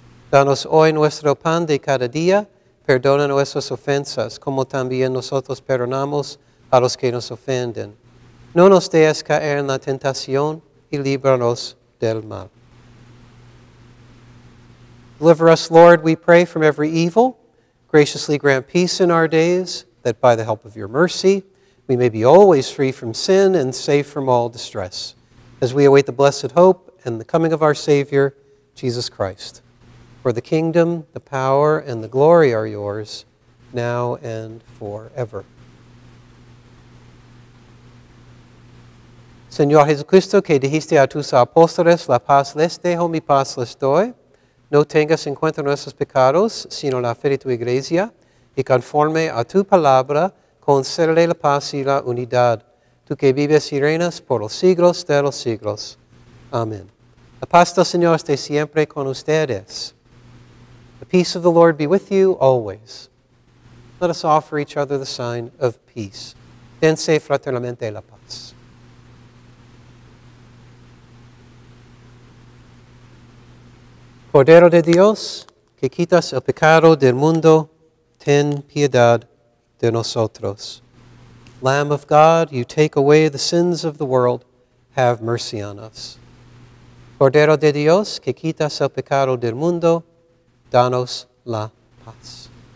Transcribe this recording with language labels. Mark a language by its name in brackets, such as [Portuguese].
[Spanish] Danos hoy nuestro pan de cada día, perdona nuestras ofensas, como también nosotros perdonamos a los que nos ofenden. No nos dejes caer en la tentación y líbranos del mal. [English] Deliver us, Lord, we pray, from every evil. Graciously grant peace in our days, that by the help of your mercy, we may be always free from sin and safe from all distress, as we await the blessed hope and the coming of our Savior, Jesus Christ. For the kingdom, the power, and the glory are yours, now and forever. [Spanish] Señor Jesucristo, que dijiste a tus apóstoles, la paz les dejo, mi paz les doy. No tengas en cuenta nuestros pecados, sino la fe de tu iglesia, y conforme a tu palabra, concédele la paz y la unidad, tú que vives y reinas por los siglos de los siglos. Amén. La paz del Señor esté siempre con ustedes. [English] The peace of the Lord be with you always. Let us offer each other the sign of peace. [Spanish] Dense fraternamente la paz. Cordero de Dios, que quitas el pecado del mundo, ten piedad de nosotros. [English] Lamb of God, you take away the sins of the world, have mercy on us. [Spanish] Cordero de Dios, que quitas el pecado del mundo, danos la paz.